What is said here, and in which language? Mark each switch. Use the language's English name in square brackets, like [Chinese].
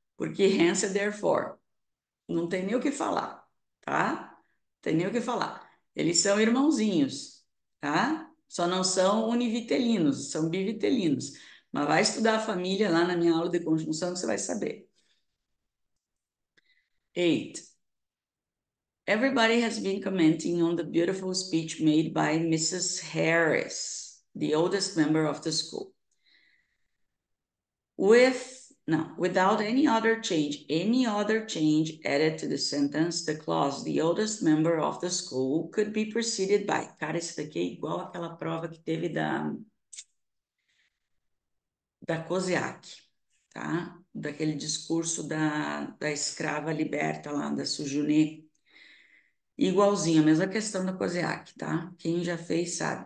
[Portuguese] Porque hence é therefore. Não tem nem o que falar, tá? Tem nem o que falar. Eles são irmãozinhos. Tá? Só não são univitelinos, são bivitelinos. Mas vai estudar a família lá na minha aula de conjunção que você vai saber. 8. [English] Everybody has been commenting on the beautiful speech made by Mrs. Harris, the oldest member of the school. Without any other change added to the sentence, the clause, the oldest member of the school could be preceded by. [Portuguese] Cara, isso daqui é igual àquela prova que teve da Kozeak, tá? Daquele discurso da escrava liberta lá, da Sujune. Igualzinho, a mesma questão da Kozeak, tá? Quem já fez sabe.